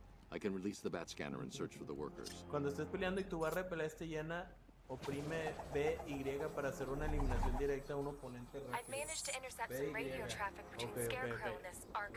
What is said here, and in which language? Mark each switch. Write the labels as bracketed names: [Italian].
[English] I can release the bat scanner and search for the workers. [Spanish] Cuando estés peleando y tu barra de pelea esté llena, oprime B y para hacer una eliminación directa a un oponente rápido. [English] I've managed to intercept some radio traffic between Scarecrow and this Arkham Knight.